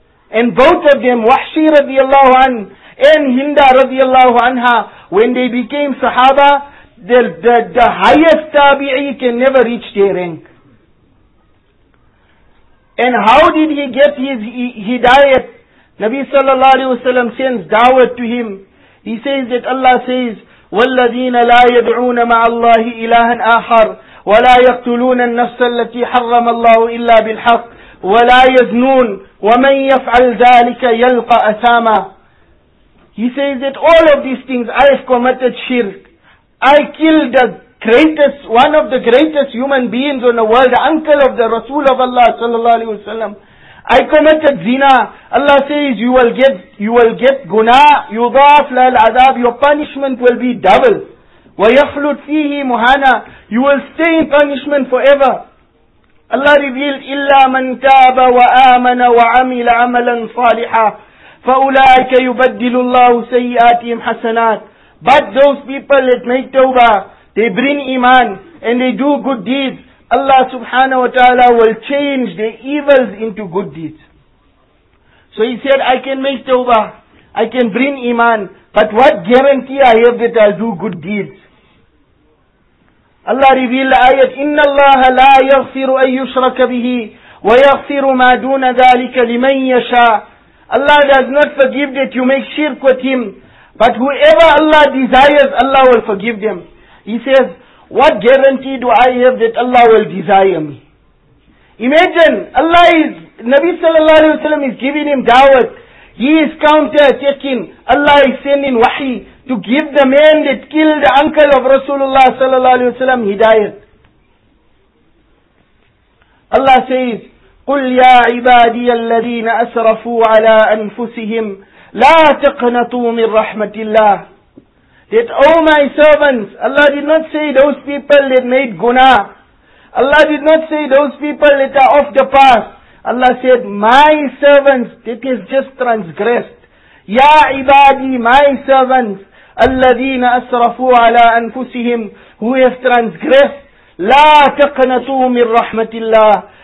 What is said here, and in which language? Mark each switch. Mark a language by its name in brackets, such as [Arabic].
[English] And both of them, Wahshi radiallahu anhu and Hinda radiallahu anha, when they became sahaba, the highest tabi'i can never reach their rank. And how did he get his hidayat? Nabi sallallahu alayhi wa sallam sends dawah to him. He says that Allah says, [Arabic] والذين لا يدعون مع الله إلها آخر ولا يقتلون النفس التي حرم الله إلا بالحق ولا يزنون ومن يفعل ذلك يلقى أثاما. [English] He says that all of these things, I have committed shirk. I killed the greatest, one of the greatest human beings on the world, the uncle of the Rasul of Allah sallallahu alaihi wasallam. I committed zina. Allah says you will get guna, [Arabic] yudaf lal azab, [English] your punishment will be double. [Arabic] وَيَخْلُدْ فِيهِ مُهَانَا, [English] you will stay in punishment forever. Allah revealed, [Arabic] إِلَّا مَنْ تَابَ وَآمَنَ وَعَمِلَ عَمَلًا صَالِحًا فَأُولَٰئِكَ يُبَدِّلُ اللَّهُ سَيِّئَاتِهِمْ حَسَنَاتٍ. [English] But those people that make tawbah, they bring iman and they do good deeds, Allah subhanahu wa ta'ala will change the evils into good deeds. So he said, I can make tawbah, I can bring iman, but what guarantee I have that I'll do good deeds? Allah revealed the ayat, [Arabic] إِنَّ اللَّهَ لَا يَغْفِرُ أَن يُشْرَكَ بِهِ وَيَغْفِرُ مَا دُونَ ذَلِكَ لِمَن يَشَاءُ. [English] Allah does not forgive that you make shirk with him, but whoever Allah desires, Allah will forgive them. He says, what guarantee do I have that Allah will desire me? Imagine, Nabi sallallahu alayhi wa sallam is giving him dawah. He is counter-attacking. Allah is sending wahi to give the man that killed the uncle of Rasulullah sallallahu alayhi wa sallam hidayat. Allah says, [Arabic] قُلْ يَا عِبَادِيَ الَّذِينَ أَسْرَفُوا عَلَىٰ أَنفُسِهِمْ لَا تَقْنَطُوا مِنْ رَحْمَةِ اللَّهِ. [English] That, oh my servants, Allah did not say those people that made guna. Allah did not say those people that are off the path. Allah said, my servants, that is just transgressed. [Arabic] Ya ibadi, [English] my servants, [Arabic] alladhina asrafu ala anfusihim, [English] who have transgressed, [Arabic] la taqnatu min rahmatillah.